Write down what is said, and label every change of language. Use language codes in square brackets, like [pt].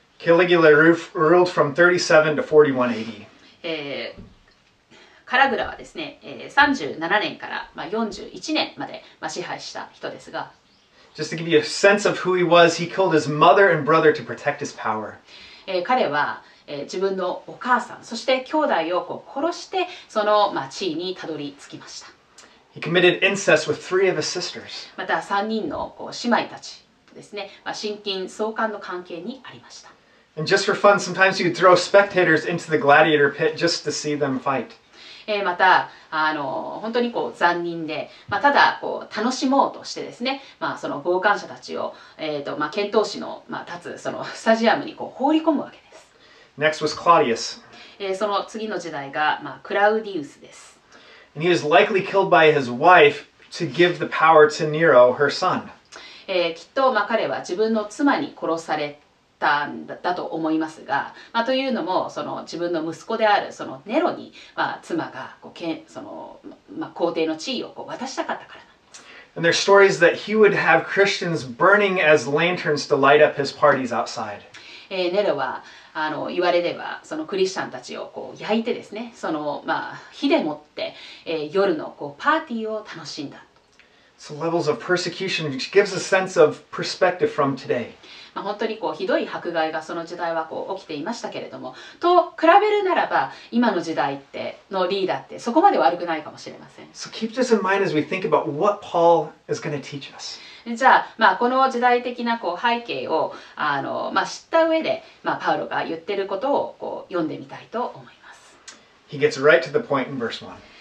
[en] Caligula ruled from 37 to 41 AD. [ja] カラグラはですね、37年から、41年まで、支配した人ですが、 [en] Just to give you a sense of who he was, he killed his mother and brother to protect his power. [ja] 彼は、自分のお母さん、そして兄弟をこう殺して、その、地位にたどり着きました。 [en] He committed incest with three of his sisters. [ja] また3人のこう姉妹たちとですね、親近相関の関係にありました。 [en] And just for fun, sometimes you'd throw spectators into the gladiator pit just to see them fight. [ja] また、本当にこう残忍で、ただこう楽しもうとしてですね、その傍観者たちを、剣闘士の、立つそのスタジアムにこう放り込むわけです。 [en] Next was Claudius. [ja] その次の時代が、クラウディウスです。 [en] And he was likely killed by his wife to give the power to Nero, her son. [ja] きっと、彼は自分の妻に殺されて、だと思いますが、というのもその自分の息子であるそのネロに、妻がこうその、皇帝の地位をこう渡したかったからなんです。 [en] And there are stories that he would have Christians burning as lanterns to light up his parties outside. [ja] ネロは言われればそのクリスチャンたちをこう焼いてですね、その、火でもって、夜のこうパーティーを楽しんだ。 [en] So levels of persecution which gives a sense of perspective from today. [ja] 本当にこうひどい迫害がその時代はこう起きていましたけれども、と比べるならば今の時代ってのリーダーってそこまで悪くないかもしれません。 [en] So keep this in mind as we think about what Paul is going to teach us. [ja] じゃあ、この時代的なこう背景を知った上で、パウロが言ってることをこう読んでみたいと思います。 [en] He gets right to the point in verse one.